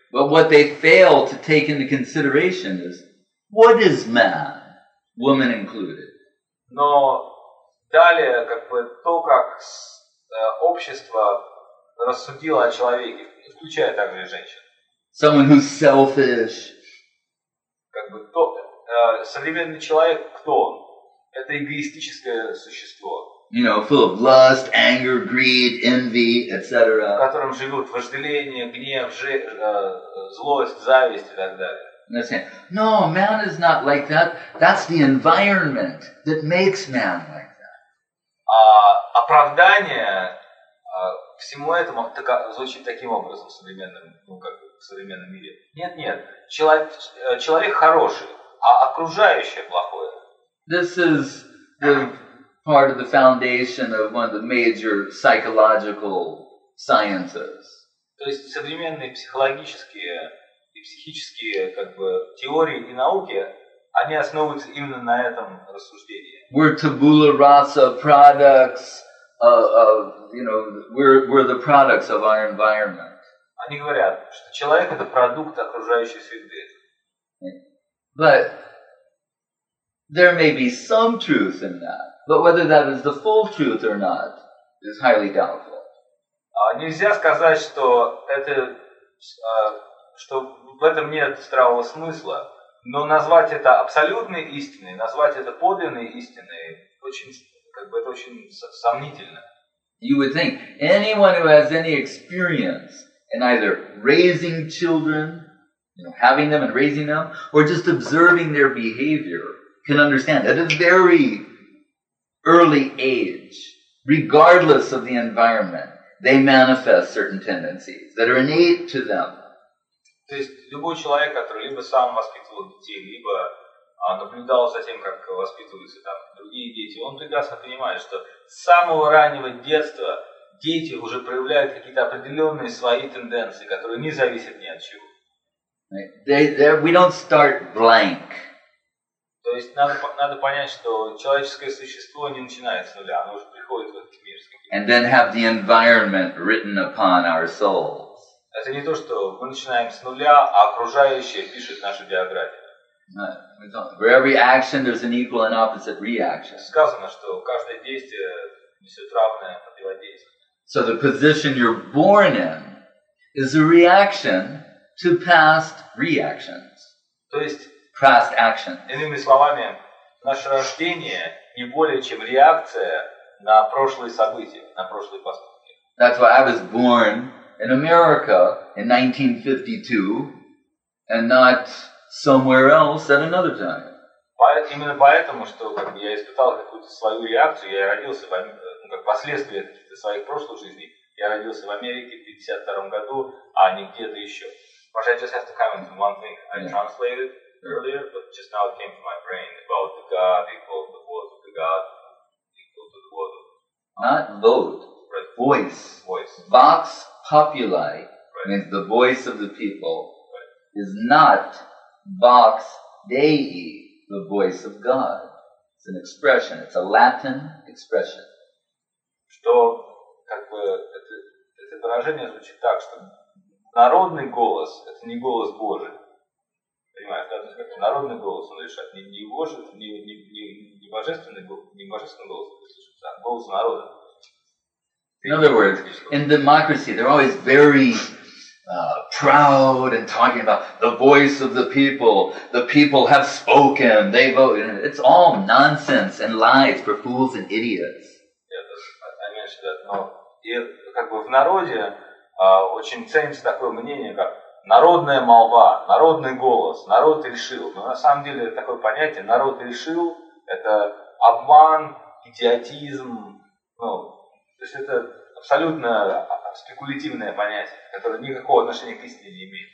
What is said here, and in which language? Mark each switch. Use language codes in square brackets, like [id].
[en] But what they fail to take into consideration is what is man, woman included. [ru] Но далее как бы то, как общество рассудило о человеке, включая также и женщин. [en] Someone who's selfish. [ru] Как бы то современный человек кто он? Это эгоистическое существо. [en] you know, full of lust, anger, greed, envy, etc. [ru] В котором живут вожделение, гнев, злость, зависть и так далее. [en] And they're saying, no, man is not like that. That's the environment that makes man like that. [ru] Оправдание всему этому звучит таким образом в современном, ну, как в современном мире. Нет, нет, человек хороший, а окружающее плохое. [en] This is the part of the foundation of one of the major psychological sciences. [ru] То есть современные психологические и психические, как бы, теории и науки, они основываются именно на этом рассуждении. [en] We're tabula rasa products of, you know, we're the products of our environment. [ru] Они говорят, что человек — это продукт окружающей среды. [en] But there may be some truth in that, but whether that is the full truth or not is highly doubtful. [ru] Нельзя сказать, что это, что в этом нет здравого смысла, но назвать это абсолютной истиной, назвать это подлинной истиной, очень, как бы, это очень сомнительно. [en] You would think anyone who has any experience in either raising children, you know, having them and raising them, or just observing their behavior, can understand at a very early age, regardless of the environment, they manifest certain tendencies that are innate to them. [ru] То есть любой человек, который либо сам воспитывал детей, либо наблюдал за тем, как воспитываются там другие дети, он прекрасно понимает, что с самого раннего детства дети уже проявляют какие-то определенные свои тенденции, которые не зависят ни от чего. [en] We don't start blank. [ru] То есть надо понять, что человеческое существо не начинает с нуля, оно уже приходит в этот мир. [en] And then have the environment written upon our soul. [ru] Это не то, что мы начинаем с нуля, а окружающее пишет нашу биографию. [en] For every action, there's an equal and opposite reaction. [ru] Сказано, что каждое действие несет равное противодействие. [en] So the position you're born in is a reaction to past reactions. [ru] То есть, [en] past actions. [ru] Иными словами, наше рождение не более чем реакция на прошлые события, на прошлые поступки. [en] That's why I was born in America in 1952 and not somewhere else at another time. [ru] Именно поэтому, что я испытал какую-то свою реакцию, я родился в Америке, как последствия каких-то своих прошлых жизней, я родился в Америке в 52 году, а не где-то еще. Может, [en] I just have to comment on one thing. I translated earlier, but just now it came to my brain about the God equal to the voice of the God equal to the voice of not vote, but voice. [la] Vox populi, [en] right, means the voice of the people, right, is not [la] vox Dei, [en] the voice of God. It's an expression. It's a Latin expression. [ru] Что, как бы, это выражение звучит так, что народный голос — это не голос Божий. Понимаешь, да? Это народный голос, он решает. Не божественный голос, а голос народа. [en] In other words, in democracy, they're always very proud and talking about the voice of the people. The people have spoken. They vote. It's all nonsense and lies for fools and idiots. Yeah, I mentioned that. [ru] Но и как бы в народе очень ценится такое мнение, как народная молва, народный голос, народ решил. Но на самом деле такое понятие "народ решил" — это обман, идиотизм. Ну, то есть это абсолютно спекулятивное понятие, которое никакого отношения к истине не имеет.